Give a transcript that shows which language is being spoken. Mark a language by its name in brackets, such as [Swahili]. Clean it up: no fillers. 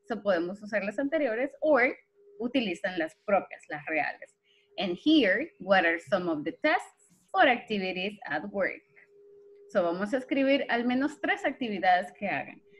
[Spanish] So, podemos usar las anteriores o utilizan las propias, las reales. [English] And here, what are some of the tests or activities at work? [Spanish] So, vamos a escribir al menos tres actividades que hagan.